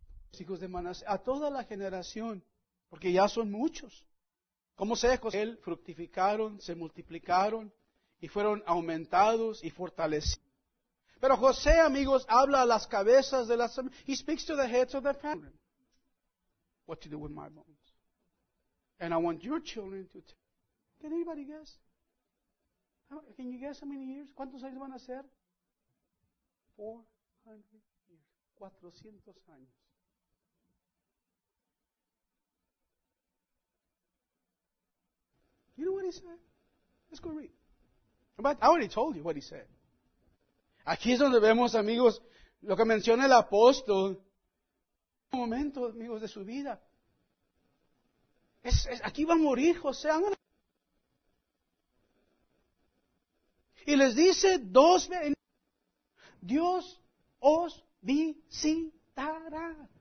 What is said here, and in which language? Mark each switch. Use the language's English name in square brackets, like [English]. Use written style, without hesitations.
[Spanish] Los hijos de Manasés. A toda la generación, porque ya son muchos. ¿Cómo sé, José? Él fructificaron, se multiplicaron. Y fueron aumentados y fortalecidos. Pero José, amigos, habla a las cabezas de las... [English] He speaks to the heads of the family. What to do with my bones? And I want your children to tell. Can anybody guess? Can you guess how many years? [Spanish] ¿Cuántos años van a ser? [English] 400 years. [Spanish] 400 años. [English] You know what he said? Let's go read. But I already told you what he said. [Spanish] Aquí es donde vemos, amigos, lo que menciona el apóstol. Un momento, amigos, de su vida. Aquí va a morir José. Y les dice dos veces, Dios os visitará.